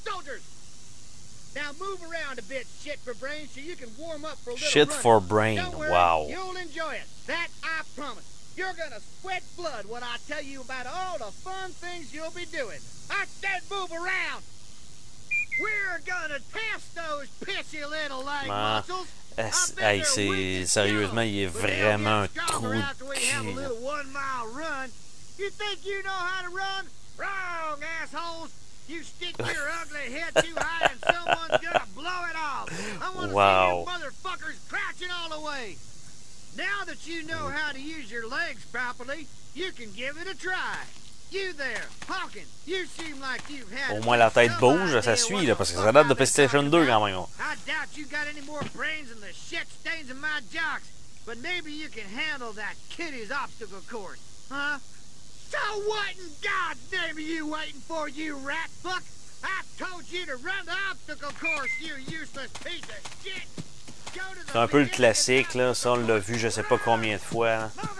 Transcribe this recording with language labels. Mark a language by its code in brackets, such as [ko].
[en] soldiers. Now move around a bit, shit for brain, so you can warm up for a little shit running. For brain. Don't worry, wow. You'll enjoy it. That I promise. You're gonna sweat blood when I tell you about all the fun things you'll be doing. I said move around. We're gonna test those pissy little leg muscles. [fr] Hey, sérieusement, il est vraiment un trou de cul. [en] You think you know how to run? Wrong, assholes. You stick your ugly head too high and someone's gonna blow it off. I wanna see you motherfuckers crouching all the way. Now that you know how to use your legs properly, you can give it a try. You there, Hawkins, you seem like you've had... [fr] Au moins la tête bouge, ça suit, là, parce que ça date de PlayStation 2 quand même. [en] I doubt you got any more brains than the shit stains of my jocks, but maybe you can handle that kiddie's obstacle course, huh? So what in God's name are you waiting for, you rat fuck? I told you to run the obstacle course, you useless piece of shit! [fr] C'est un peu le classique, là. Ça, on l'a vu je sais pas combien de fois. Là.